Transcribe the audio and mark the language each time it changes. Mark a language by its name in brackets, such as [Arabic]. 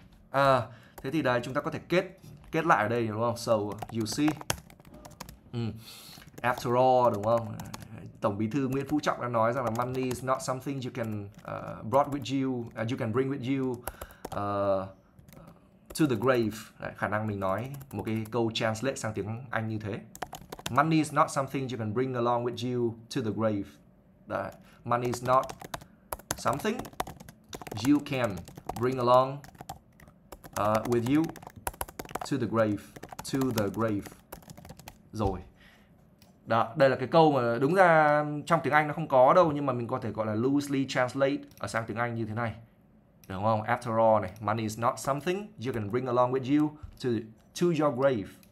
[Vietnamese] À, thế thì đây chúng ta có thể kết lại ở đây, đúng không? [English] So, you see, after all, [Vietnamese] đúng không? [English] Tổng bí thư Nguyễn Phú Trọng [Vietnamese] đã nói rằng là [English] money is not something you can brought with you, you can bring with you to the grave. [Vietnamese] Đấy, khả năng mình nói một cái câu translate sang tiếng Anh như thế. [English] Money is not something you can bring along with you to the grave. Đấy. Money is not something you can bring along with you to the grave. To the grave. Rồi. [Vietnamese] Đó, đây là cái câu mà đúng ra trong tiếng Anh nó không có đâu, nhưng mà mình có thể gọi là loosely translate ở sang tiếng Anh như thế này. Đúng không? [English] After all này, money is not something you can bring along with you to your grave.